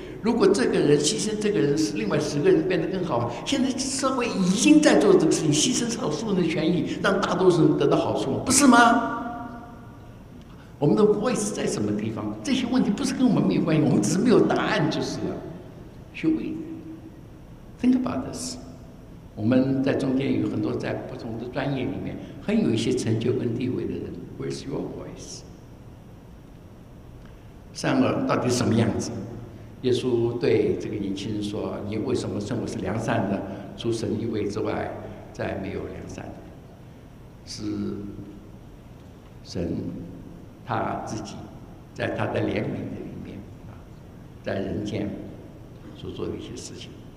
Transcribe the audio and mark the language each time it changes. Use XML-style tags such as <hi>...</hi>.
<zh>如果这个人牺牲这个人，是另外十个人变得更好。现在社会已经在做这个事情，牺牲少数人的权益，让大多数人得到好处，不是吗？我们的 voice 在什么地方？这些问题不是跟我们没有关系，我们只是没有答案就是了。</zh> <en>Should we think about this？</en> <zh>我们在中间有很多在不同的专业里面很有一些成就跟地位的人，</zh> <en>Where's your voice？</en> <zh>善恶到底什么样子？耶稣对这个年轻人说，你为什么称我是良善的？除神一位之外再没有良善的。是神他自己在他的怜悯的里面，在人间所做的一些事情。</zh>